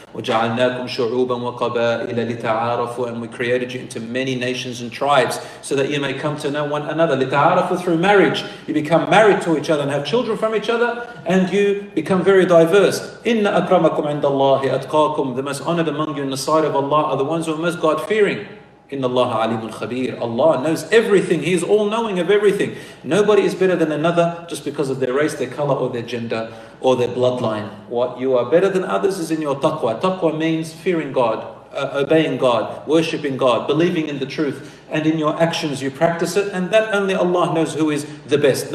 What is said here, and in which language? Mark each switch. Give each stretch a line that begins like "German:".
Arabic: وَجَعَلْنَاكُمْ شُعُوبًا وَقَبَائِلَ لِتَعَارَفُوا,
English: and we created you into many nations and tribes so that you may come to know one another.
Arabic: لِتَعَارَفُوا,
English: through marriage. You become married to each other and have children from each other, and you become very diverse.
Arabic: إِنَّ أَكْرَمَكُمْ عِنْدَ اللَّهِ أَتْقَاكُمْ,
English: the most honored among you in the sight of Allah are the ones who are most God-fearing.
Arabic: إِنَّ اللَّهَ عَلِيمٌ خَبِيرٌ,
English: Allah knows everything. He is all-knowing of everything. Nobody is better than another just because of their race, their color, or their gender, or their bloodline. What you are better than others is in your taqwa. Taqwa means fearing God, obeying God, worshipping God, believing in the truth, and in your actions you practice it, and that only Allah knows who is the best.